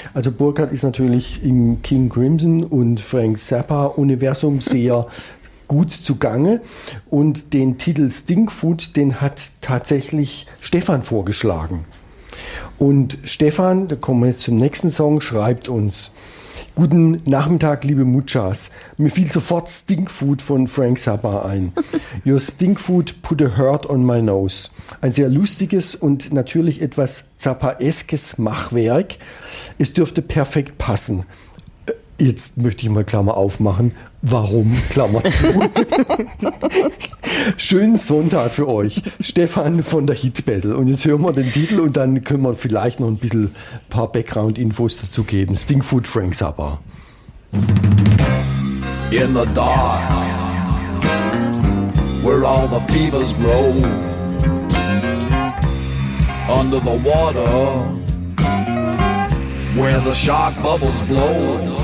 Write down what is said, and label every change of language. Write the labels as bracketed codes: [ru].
[de] Also Burkhard ist natürlich im King Crimson und Frank Zappa Universum sehr gut zugange. Und den Titel Stinkfood, den hat tatsächlich Stefan vorgeschlagen. Und Stefan, da kommen wir jetzt zum nächsten Song, schreibt uns: Guten Nachmittag, liebe Muchas. Mir fiel sofort Stinkfood von Frank Zappa ein. [en] Your Stinkfood put a hurt on my nose. [de] Ein sehr lustiges und natürlich etwas Zappa-eskes Machwerk. Es dürfte perfekt passen. Jetzt möchte ich mal Klammer aufmachen. Warum? Klammer zu. Schönen Sonntag für euch. Stefan von der Hit Battle. Und jetzt hören wir den Titel und dann können wir vielleicht noch ein bisschen paar Background-Infos dazu geben. Stinkfood Frank Zappa. [en] In the dark, where all the fevers grow. Under the water, where the shark bubbles blow.